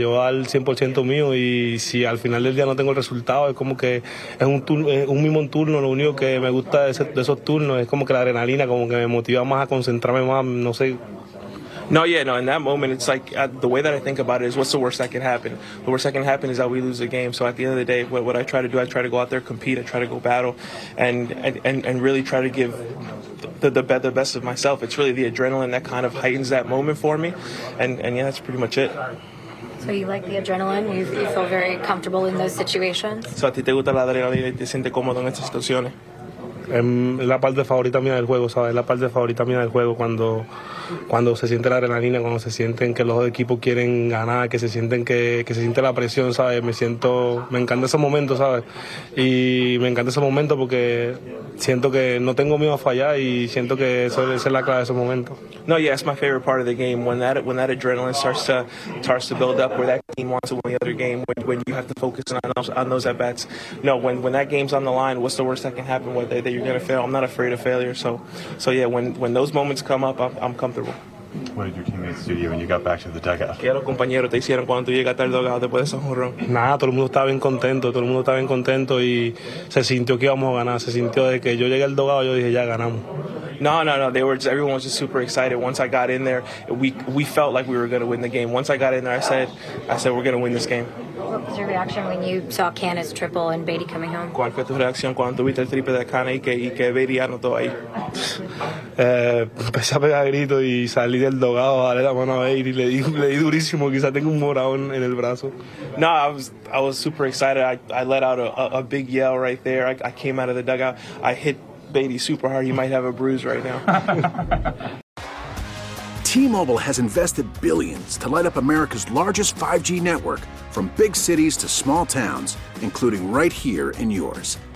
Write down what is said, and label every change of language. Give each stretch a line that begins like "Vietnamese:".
Spanish: Yo voy al 100% mío y si al final del día no tengo el resultado, es como que es un turno, es un mismo turno, lo único que me gusta de esos turnos es como que la adrenalina como que me motiva más a concentrarme más, no sé.
English: No, yeah, no, in that moment, it's like, the way that I think about it is, what's the worst that can happen? The worst that can happen is that we lose the game. So at the end of the day, what I try to do, I try to go out there, compete, I try to go battle, and really try to give the best of myself. It's really the adrenaline that kind of heightens that moment for me, and yeah, that's pretty much it. So you like the adrenaline? You feel very comfortable in those situations?
Spanish: So a ti te gusta la adrenalina y te sientes cómodo en esas situaciones? La parte favorita mía del juego, ¿sabes? La parte favorita mía del juego cuando se siente la adrenalina, cuando se sienten que los dos equipos quieren ganar, que se sienten que se siente la presión, ¿sabes? Me encanta ese momento, ¿sabes? Y me encanta ese momento porque siento que no tengo miedo a fallar y siento que eso es la clave de ese momento.
English: No, yeah, it's my favorite part of the game when that adrenaline starts to build up where that team wants to win the other game when you have to focus on those at bats. No, when that game's on the line, what's the worst that can happen with it? That you're going to fail. I'm not afraid of failure. So yeah, when those moments come up, I'm comfortable. What did your teammates do to you when you got back to the dugout?
Spanish: ¿Qué los compañeros te hicieron cuando tú llegaste al dugout después de ese jonrón? Nada, todo el mundo estaba bien contento y se sintió que íbamos a ganar. Se sintió de que yo llegué al dugout, yo dije, ya ganamos.
English: No, they were just, everyone was just super excited. Once I got in there, we felt like we were going to win the game. Once I got in there, I said we're going to win this game. What was your reaction when you saw Cana's triple and Beatty coming home?
Spanish: ¿Cuál fue tu reacción cuando viste el triple de Cana y que Beatty anotó ahí? Empecé a pegar gritos y salí del dogado, darle la mano a Beatty, le di durísimo, quizá tengo un morado en el brazo.
English: No, I was super excited. I let out a big yell right there. I came out of the dugout. I hit Beatty super hard. He might have a bruise right now. T-Mobile has invested billions to light up America's largest 5G network, from big cities to small towns, including right here in yours.